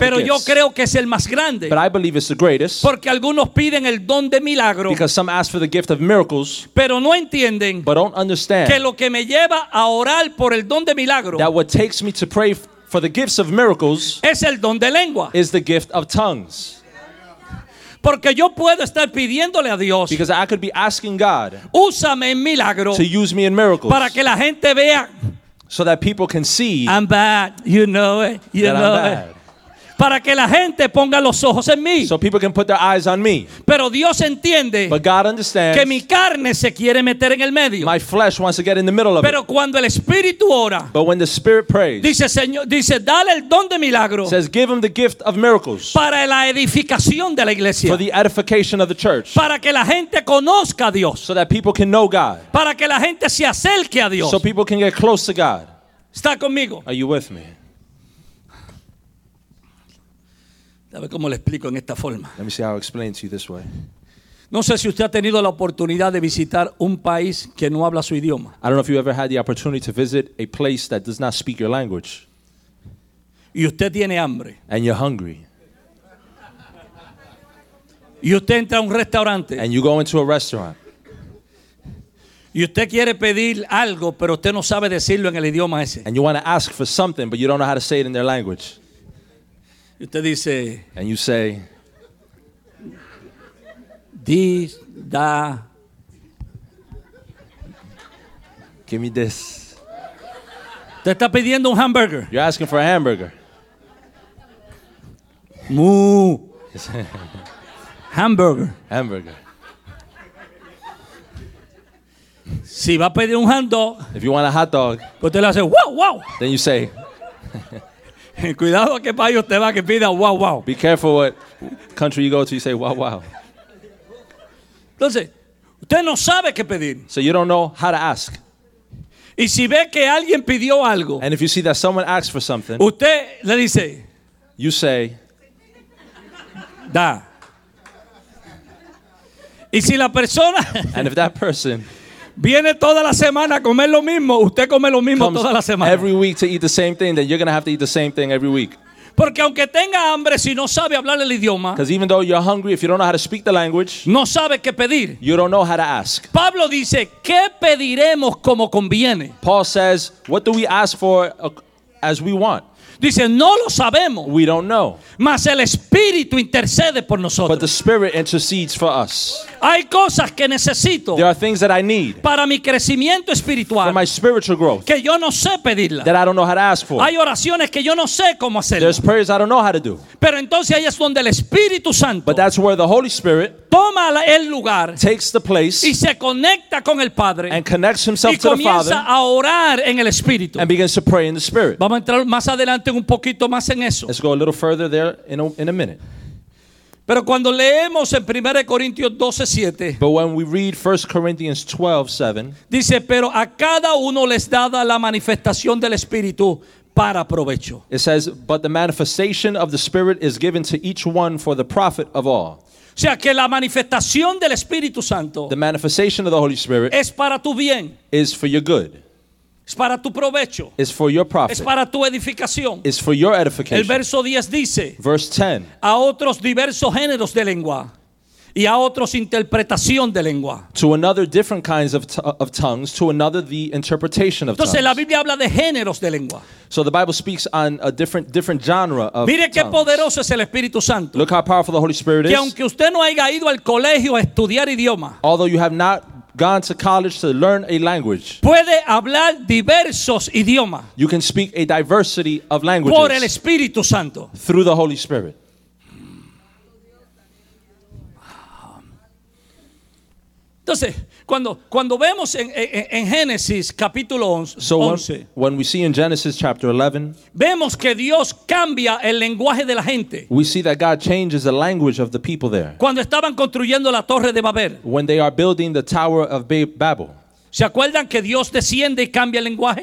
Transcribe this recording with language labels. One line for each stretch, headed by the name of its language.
Spanish: Pero yo creo que es el más grande.
English: But I believe it's the greatest.
Spanish: Porque algunos piden el don de milagro.
English: Because some ask for the gift of miracles.
Spanish: Pero no entienden.
English: But don't understand.
Spanish: Que lo que me lleva a orar por el don de milagro.
English: That what takes me to pray for the gifts of miracles.
Spanish: Es el don de lengua.
English: Is the gift of tongues.
Spanish: Porque yo puedo estar pidiéndole a Dios.
English: Because I could be asking God.
Spanish: Úsame en milagro.
English: To use me in miracles.
Spanish: Para que la gente vea.
English: So that people can see. I'm bad. You know it. You that know I'm bad. It.
Spanish: Para que la gente ponga los ojos en mí.
English: So people can put their eyes on me.
Spanish: Pero Dios entiende.
English: But God understands.
Spanish: Que mi carne se quiere meter en el medio.
English: My flesh wants to get in the middle of
Spanish: pero
English: it.
Spanish: Pero cuando el Espíritu ora.
English: But when the Spirit prays.
Spanish: Dice Señor, dice dale el don de milagro.
English: Says give him the gift of miracles.
Spanish: Para la edificación de la iglesia.
English: For the edification of the church.
Spanish: Para que la gente conozca a Dios.
English: So that people can know God.
Spanish: Para que la gente se acerque a Dios.
English: So people can get close to God.
Spanish: ¿Está conmigo?
English: Are you with me?
Spanish: A ver cómo le explico en esta forma.
English: Let me see how I'll explain to you this way.
Spanish: No sé si usted ha tenido la oportunidad de visitar un país que no habla su idioma.
English: I don't know if you ever had the opportunity to visit a place that does not speak your language.
Spanish: Y usted tiene hambre.
English: And you're hungry.
Spanish: Y usted entra a un restaurante.
English: And you go into a restaurant.
Spanish: Y usted quiere pedir algo, pero usted no sabe decirlo en el idioma ese.
English: And you want to ask for something, but you don't know how to say it in their language.
Spanish: Usted dice,
English: and you say, this, da, give me this.
Spanish: Te está pidiendo un hamburger.
English: You're asking for a hamburger. Moo. Hamburger. Hamburger.
Spanish: Si va a pedir un hot dog.
English: If you want a hot dog.
Spanish: Pues te lo hace wow, wow.
English: Then you say.
Spanish: Cuidado que país usted va que pida wow, wow.
English: Be careful what country you go to, you say wow, wow.
Spanish: Entonces, usted no sabe qué pedir.
English: So you don't know how to ask.
Spanish: Y si ve que alguien pidió algo.
English: And if you see that someone asked for something.
Spanish: Usted le dice.
English: You say. Da.
Spanish: Y si la persona.
English: And if that person.
Spanish: Viene toda la semana a comer lo mismo. Usted come lo mismo toda la semana.
English: Every week to eat the same thing. Then you're going to have to eat the same thing every week.
Spanish: Porque aunque tenga hambre, si no sabe hablar el idioma.
English: Because even though you're hungry, if you don't know how to speak the language.
Spanish: No sabe qué pedir.
English: You don't know how to ask.
Spanish: Pablo dice, ¿qué pediremos como conviene?
English: Paul says, what do we ask for as we want?
Spanish: Dice, no lo sabemos.
English: We don't know.
Spanish: Mas el Espíritu intercede por nosotros.
English: But the Spirit intercedes for us.
Spanish: Hay cosas que necesito.
English: There are things that I need.
Spanish: Para mi crecimiento espiritual.
English: For my spiritual growth.
Spanish: Que yo no sé pedirla.
English: That I don't know how to ask for.
Spanish: Hay oraciones que yo no sé cómo hacerla.
English: There's prayers I don't know how to do.
Spanish: Pero entonces ahí es donde el Espíritu Santo.
English: But that's where the Holy Spirit.
Spanish: Toma el lugar.
English: Takes the place.
Spanish: Y se conecta con el Padre.
English: And connects himself to the Father.
Spanish: Y comienza a orar en el Espíritu.
English: And begins to pray in the Spirit.
Spanish: Vamos a entrar más adelante un poquito más en eso.
English: Let's go a little further there in a minute.
Spanish: Pero cuando leemos en 1 Corintios 12, 7,
English: but when we read 1 Corinthians 12, 7,
Spanish: dice, pero a cada uno les dada la manifestación del Espíritu para provecho.
English: It says, but the manifestation of the Spirit is given to each one for the profit of all.
Spanish: O sea, que la manifestación del Espíritu Santo,
English: the manifestation of the Holy Spirit,
Spanish: es para tu bien,
English: is for your good.
Spanish: Es para tu provecho.
English: It's for your profit.
Spanish: Es para tu edificación.
English: It's for your edification.
Spanish: El verso 10 dice.
English: Verse 10.
Spanish: A otros diversos géneros de lengua. Y a otros interpretación de lengua.
English: To another different kinds of tongues. To another the interpretation of
Spanish: entonces,
English: tongues.
Spanish: Entonces la Biblia habla de géneros de lengua.
English: So the Bible speaks on a different genre of tongues.
Spanish: Mire qué poderoso es el Espíritu Santo.
English: Look how powerful the Holy Spirit is.
Spanish: Que aunque usted no haya ido al colegio a estudiar idioma.
English: Although you have not gone to college to learn a language.
Spanish: Puede hablar diversos idiomas.
English: You can speak a diversity of languages.
Spanish: Por el Espíritu Santo.
English: Through the Holy Spirit.
Spanish: Entonces, cuando vemos en Génesis capítulo 11.
English: So when we see in Genesis chapter 11.
Spanish: Vemos que Dios cambia el lenguaje de la gente.
English: We see that God changes the language of the people there.
Spanish: Cuando estaban construyendo la torre de Babel.
English: When they are building the tower of Babel.
Spanish: ¿Se acuerdan que Dios desciende y cambia el lenguaje?